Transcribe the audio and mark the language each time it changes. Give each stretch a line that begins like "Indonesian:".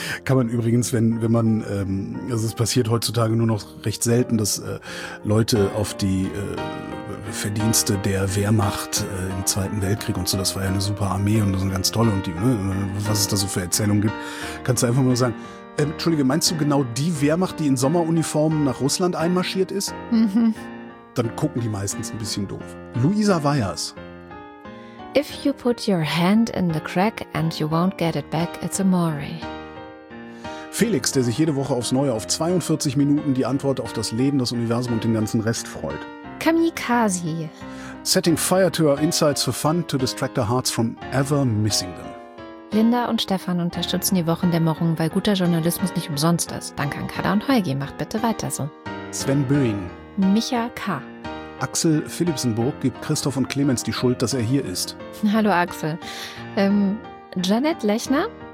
German: Kann man übrigens, also es passiert heutzutage nur noch recht selten, dass Leute auf die Verdienste der Wehrmacht im Zweiten Weltkrieg und so, das war ja eine super Armee und das ist ganz toll und die, was es da so für Erzählungen gibt, kannst du einfach nur sagen, Entschuldige, meinst du genau die Wehrmacht, die in Sommeruniformen nach Russland einmarschiert ist? Mhm. dann gucken die meistens ein bisschen doof. Luisa Weyers.
English: If you put your hand in the crack and you won't get it back, it's a mori.
German: Felix, der sich jede Woche aufs Neue auf 42 Minuten die Antwort auf das Leben, das Universum und den ganzen Rest freut. Kamikaze.
English: Setting fire to our insides for fun to distract our hearts from ever missing them.
German: Linda und Stefan unterstützen die Wochendämmerung, weil guter Journalismus nicht umsonst ist. Danke an Kader und Heugi, macht bitte weiter so. Sven Böing. Micha K. Axel Philipsenburg gibt Christoph und Clemens die Schuld, dass er hier ist. Hallo Axel. Janet Lechner.